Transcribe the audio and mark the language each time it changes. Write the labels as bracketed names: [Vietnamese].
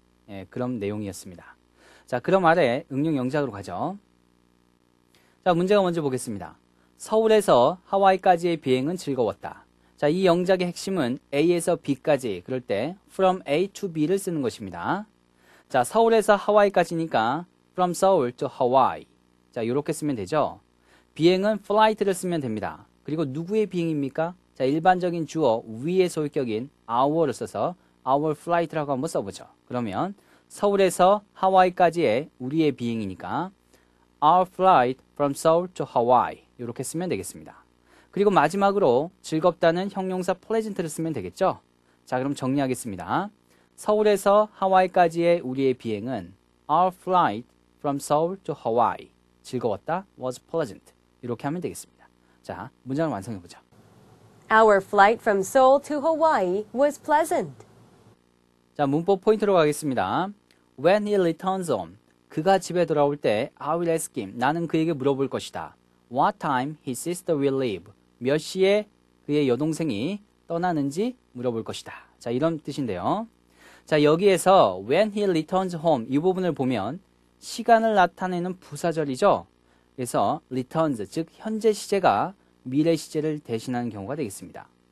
[Korean] 예, 그런 내용이었습니다. 자, 그럼 아래 응용 영작으로 가죠. 자, 문제가 먼저 보겠습니다. 서울에서 하와이까지의 비행은 즐거웠다. 자, 이 영작의 핵심은 A에서 B까지, 그럴 때 [English] from A to B [Korean] 를 쓰는 것입니다. 자, 서울에서 하와이까지니까 [English] from Seoul to Hawaii. [Korean] 자, 이렇게 쓰면 되죠. 비행은 flight를 쓰면 됩니다. 그리고 누구의 비행입니까? 자, 일반적인 주어 위의 소유격인 our를 써서 [English] our flight [Korean] 라고 한번 써보죠. 그러면 서울에서 하와이까지의 우리의 비행이니까 [English] Our flight from Seoul to Hawaii. [Korean] 이렇게 쓰면 되겠습니다. 그리고 마지막으로 즐겁다는 형용사 pleasant를 쓰면 되겠죠? 자, 그럼 정리하겠습니다. 서울에서 하와이까지의 우리의 비행은 [English] Our flight from Seoul to Hawaii. [Korean] 즐거웠다. [English] was pleasant. [Korean] 이렇게 하면 되겠습니다. 자, 문장을 완성해 보죠. [English] Our flight from Seoul to Hawaii was pleasant. [Korean] 자, 문법 포인트로 가겠습니다. [English] When he returns home. [Korean] 그가 집에 돌아올 때, [English] I will ask him. [Korean] 나는 그에게 물어볼 것이다. [English] What time his sister will leave? [Korean] 몇 시에 그의 여동생이 떠나는지 물어볼 것이다. 자, 이런 뜻인데요. 자, 여기에서 [English] when he returns home [Korean] 이 부분을 보면 시간을 나타내는 부사절이죠. 그래서 returns, 즉 현재 시제가 미래 시제를 대신하는 경우가 되겠습니다.